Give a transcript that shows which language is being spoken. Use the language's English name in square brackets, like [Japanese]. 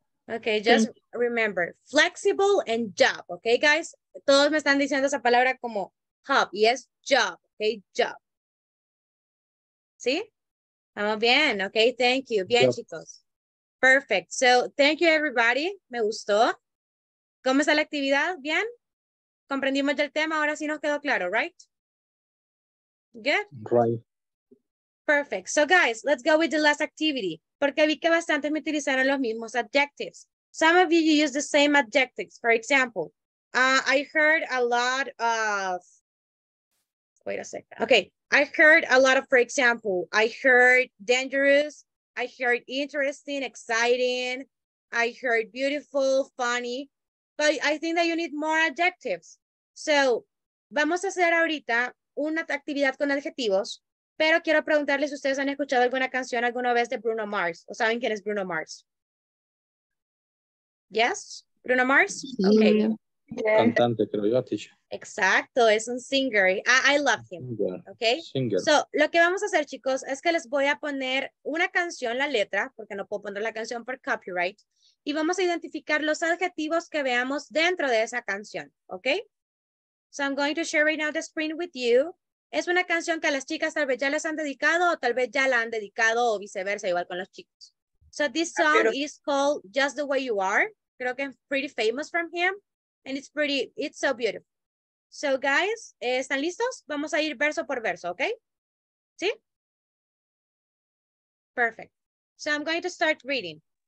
[English] Okay, just remember, flexible and job, okay, guys? [Spanish] Todos me están diciendo esa palabra como hub, [English] yes, job, okay, job. [Spanish] ¿Sí? Estamos bien, okay, [English] thank you. [Spanish] Bien, yep. Chicos. [English] Perfect, so thank you, everybody. [Spanish] Me gustó. ¿Cómo está la actividad? ¿Bien? Comprendimos ya el tema, ahora sí nos quedó claro, [English] right? Good? Right. Perfect, so guys, let's go with the last activity. [Spanish] Porque vi que bastantes me utilizaron los mismos adjectives. [English] Some of you use the same adjectives. For example, I heard a lot of, wait a second. Okay, I heard a lot of, for example, I heard dangerous, I heard interesting, exciting, I heard beautiful, funny, but I think that you need more adjectives. [Spanish] So, vamos a hacer ahorita una actividad con adjetivos. Pero quiero preguntarles si ustedes han escuchado alguna canción alguna vez de Bruno Mars. ¿O saben quién es Bruno Mars? [English] ¿Yes? ¿Bruno Mars? [Spanish] Okay. Cantante, creo yo, teacher. Exacto, es un [English] singer. I love him. Okay. Singer. [Spanish] So, lo que vamos a hacer, chicos, es que les voy a poner una canción, la letra, porque no puedo poner la canción por copyright, y vamos a identificar los adjetivos que veamos dentro de esa canción. [English] Okay. So, I'm going to share right now the screen with you. [Spanish] Es una canción que a las chicas tal vez ya les han dedicado o tal vez ya la han dedicado o viceversa, igual con los chicos. [English] So this song is called Just the Way You Are. [Spanish] Creo que es [English] pretty famous from him. And it's so beautiful. So guys, [Spanish] ¿están listos? Vamos a ir verso por verso, ¿ok? ¿Sí? [English] Perfect. So I'm going to start reading.